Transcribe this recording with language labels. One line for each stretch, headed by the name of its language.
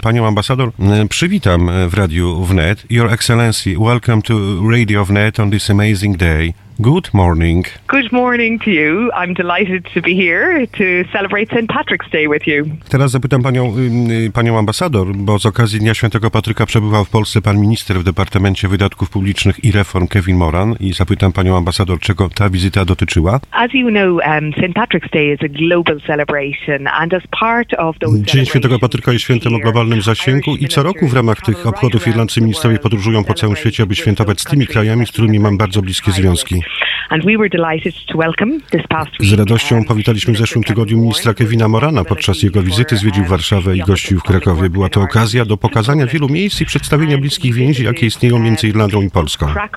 Polish: Panią ambasador, przywitam w Radiu Wnet.
English: Your Excellency, welcome to Radio Wnet on this amazing day. Good morning. Good morning to you. I'm delighted to be here to celebrate St. Patrick's Day with you.
Polish: Teraz zapytam panią ambasador, bo z okazji Dnia Świętego Patryka przebywał w Polsce pan minister w Departamencie Wydatków Publicznych i Reform Kevin Moran i zapytam panią ambasador, czego ta wizyta dotyczyła.
English: As you know, St. Patrick's Day is a global celebration and as part of those celebrations.
Polish: Dzień Świętego Patryka jest świętem o globalnym zasięgu i co roku w ramach tych obchodów irlandzcy ministrowie podróżują po całym świecie, aby świętować z tymi krajami, z którymi mam bardzo bliskie związki.
English: And we were delighted to welcome this past week.
Polish: Z radością powitaliśmy w zeszłym tygodniu ministra Kevina Morana. Podczas jego wizyty zwiedził Warszawę i gościł w Krakowie. Była to okazja do pokazania wielu miejsc i przedstawienia bliskich więzi, jakie istnieją między Irlandią i Polską.